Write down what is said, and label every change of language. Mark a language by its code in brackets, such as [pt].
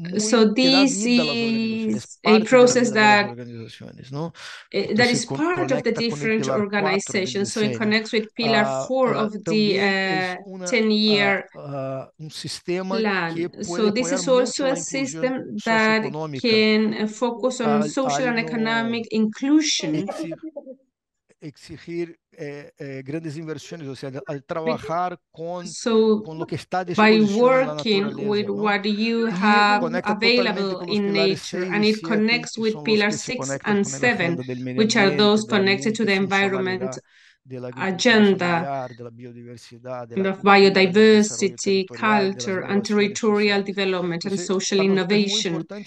[en] So this is a process that is part of the different organizations. So it connects with pillar four of the 10-year plan. So this is also a system that can focus on social and economic inclusion. [es] Exigir grandes inversiones, o sea, al trabajar con lo que está disponible. [en] By working with what you have available in nature, and it connects with pillar six and seven, which are those connected to the environment agenda, and of biodiversity, culture, and territorial development, and social innovation.